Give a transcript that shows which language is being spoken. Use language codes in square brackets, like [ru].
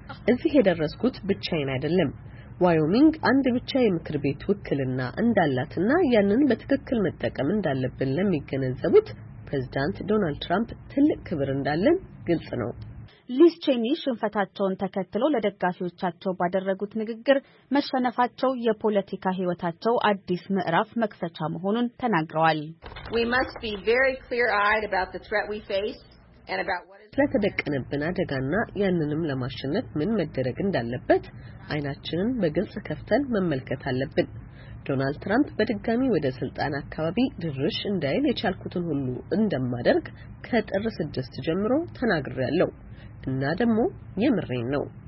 [am] እዚህ የደረስኩት ብቻዬን አይደለም። ዋዮሚንግ አንድ ብቻ የምክር ቤት ውክልና እንዳላትና ያንን በትክክል መጠቀም እንዳለብን ለሚገነዘቡት ፕሬዝዳንት ዶናልድ ትራምፕ ትልቅ ክብር እንዳለን ግልጽ ነው። ሊዝ ቼኒ ሽንፈታቸውን ተከትሎ ለደጋፊዎቻቸው ባደረጉት ንግግር መሸነፋቸው የፖለቲካ ህይወታቸው አዲስ ምዕራፍ መክፈቻ መሆኑን ተናግረዋል። [en] We must be very clear-eyed about the threat we face and about what is [am] ለተደቀነብን አደጋና ያንንም ለማሸነፍ ምን መደረግ እንዳለበት አይናችንን በግልጽ ከፍተን መመልከት አለብን። ዶናልድ ትራምፕ በድጋሚ ወደ ስልጣን አካባቢ ድርሽ እንዳይል የቻልኩትን ሁሉ እንደማደርግ ከጥር 6 ጀምሮ ተናግሬያለሁ እና ደግሞ የምሬን ነው።